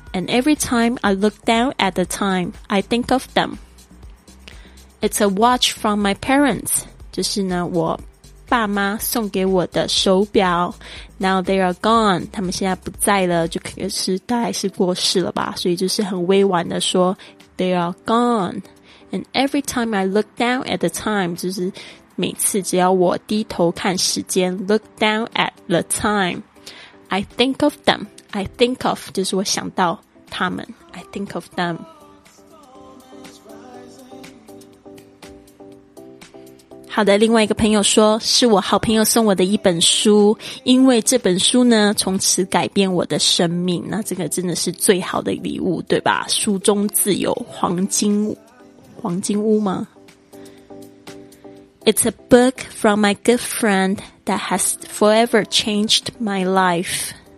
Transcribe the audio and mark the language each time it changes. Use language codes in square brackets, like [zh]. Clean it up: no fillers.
[en] And every time I look down at the time, I think of them. It's a watch from my parents. [zh] 就是呢，我爸妈送给我的手表。 [en] Now they are gone. [zh] 他们现在不在了，就可能是大概是过世了吧。所以就是很委婉的说 , [en] they are gone. And every time I look down at the time, [zh] 就是每次只要我低头看时间 [en] ,look down at the time, I think of them. I think of, [zh] 就是我想到他们 [en] I think of them. [zh] 好的，另外一个朋友说，是我好朋友送我的一本书，因为这本书呢，从此改变我的生命。那这个真的是最好的礼物，对吧？书中自有黄金，黄金屋吗？ [en] It's a book from my good friend that has forever changed my life.